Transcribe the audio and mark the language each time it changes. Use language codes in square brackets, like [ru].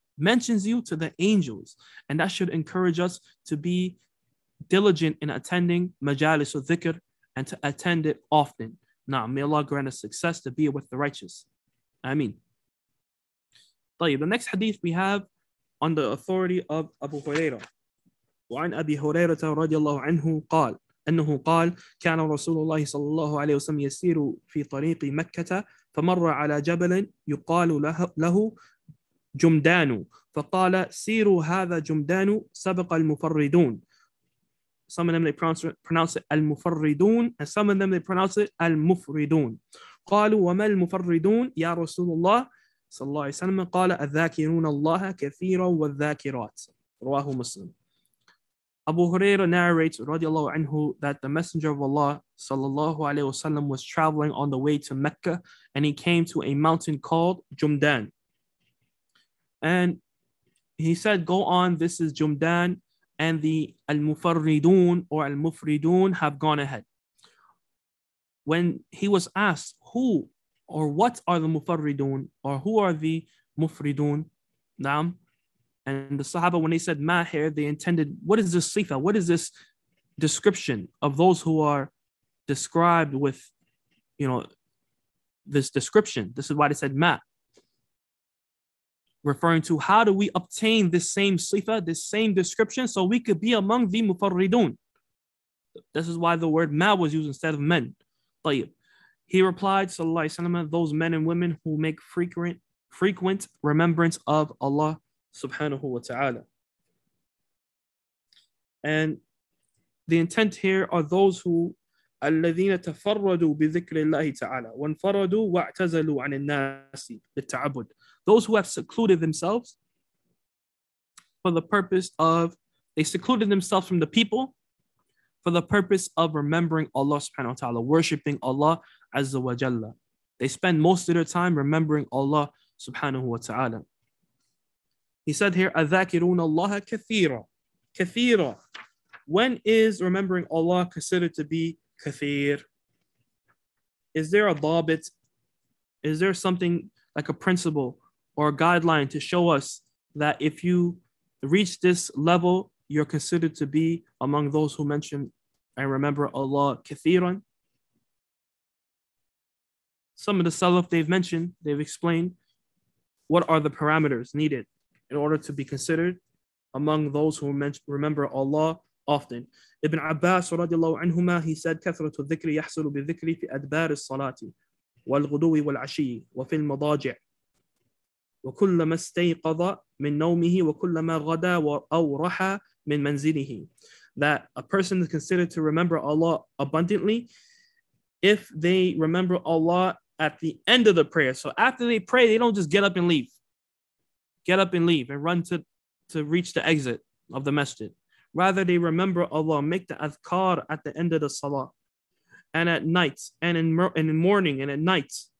[en] Mentions you to the angels. And that should encourage us to be diligent in attending majalis of dhikr and to attend it often. Now, may Allah grant us success to be with the righteous. Ameen. The next hadith we have on the authority of Abu Huraira. [ar] وعن أبي هريرة رضي الله عنه قال أنه قال كان رسول الله صلى الله عليه وسلم يسير في طريق مكة فمر على جبل يقال له جمدان فقال سيروا هذا جمدان سبق المفردون [en] Some of them they pronounce it [ar] المفردون [en] and some of them they pronounce it [ar] المفردون قالوا وما المفردون يا رسول الله صلى الله عليه وسلم قال الذاكرون الله كثيرا والذاكرات رواه مسلم [en] Abu Huraira narrates radiallahu anhu that the Messenger of Allah sallallahu alayhi wa sallam was traveling on the way to Mecca and he came to a mountain called Jumdan. And he said, go on, this is Jumdan and the Al-Mufarridun or Al-Mufridun have gone ahead. When he was asked who or what are the Mufarridun or who are the Mufridun, naam, and the Sahaba, when they said mahir, they intended, what is this sifa? What is this description of those who are described with you know, this description. This is why they said ma, referring to how do we obtain this same sifa, this same description, so we could be among the mufarridun. This is why the word ma was used instead of men. طيب. He replied, sallallahu alayhi wa sallam, those men and women who make frequent remembrance of Allah subhanahu wa ta'ala. And the intent here are those who [ar] الَّذِينَ تَفَرَّدُوا بِذِكْرِ اللَّهِ تَعَالَى وَانْفَرَّدُوا وَاعْتَزَلُوا عَنِ النَّاسِ بِالتَّعَبُدِ. [en] Those who have secluded themselves for the purpose of, they secluded themselves from the people for the purpose of remembering Allah subhanahu wa ta'ala, worshipping Allah azza wa jalla. They spend most of their time remembering Allah subhanahu wa ta'ala. He said here, [ar] أَذَاكِرُونَ اللَّهَ كَثِيرًا. كَثِيرًا. [en] When is remembering Allah considered to be kathir? Is there a dhabit? Is there something like a principle or a guideline to show us that if you reach this level, you're considered to be among those who mention and remember Allah kathiran? Some of the salaf, they've mentioned, they've explained what are the parameters needed in order to be considered among those who remember Allah often. Ibn Abbas radiallahu anhuma, he said, [ar] كَثْرَةُ الذِّكْرِ يَحْصُلُ بِالذِّكْرِ فِي أَدْبَارِ الصَّلَاةِ وَالْغُدُوِ وَالْعَشِيِّ وَفِي الْمَضَاجِعِ وَكُلَّمَا اسْتَيْقَظَ مِن نَوْمِهِ وَكُلَّمَا غَدَى وَأَوْرَحَ مِن مَنْزِلِهِ. [en] That a person is considered to remember Allah abundantly if they remember Allah at the end of the prayer. So after they pray, they don't just get up and leave. Get up and leave and run to reach the exit of the masjid. Rather, they remember Allah, make the adhkar at the end of the salah, and at night, and in morning, and at night.